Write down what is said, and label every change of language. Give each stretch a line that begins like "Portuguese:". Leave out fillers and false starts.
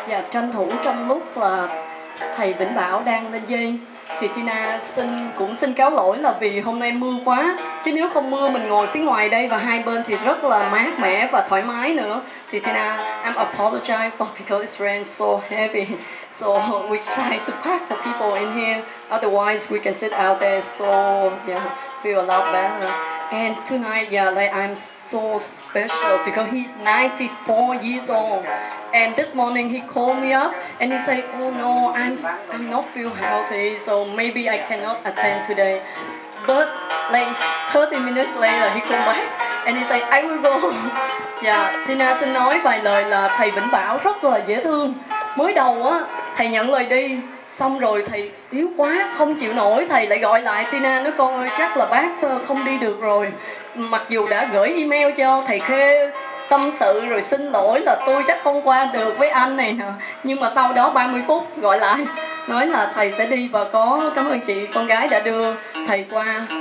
Vietnamese: Tranh thủ trong lúc là thầy Vĩnh Bảo đang lên dây thì Tina cũng xin cáo lỗi là vì hôm nay mưa quá, chứ nếu không mưa mình ngồi phía ngoài đây và hai bên thì rất là mát mẻ và thoải mái nữa.
English: Thì Tina, I'm apologize for because it's rain so heavy, so we try to pack the people in here, otherwise we can sit out there, so yeah, feel a lot better. And tonight, yeah, like I'm so special because he's 94 years old. And this morning he called me up and he said, oh no, I'm not feel healthy, so maybe I cannot attend today. But like 30 minutes later he called back and he said, I will go.
Vietnamese: Yeah, Tina xin nói vài lời là thầy Vĩnh Bảo rất là dễ thương. Mới đầu á, thầy nhận lời đi, xong rồi thầy yếu quá, không chịu nổi, thầy lại gọi lại Tina, nói con ơi, chắc là bác không đi được rồi. Mặc dù đã gửi email cho thầy Khê tâm sự rồi xin lỗi là tôi chắc không qua được với anh này nè, nhưng mà sau đó 30 phút gọi lại nói là thầy sẽ đi và có cảm ơn chị con gái đã đưa thầy qua.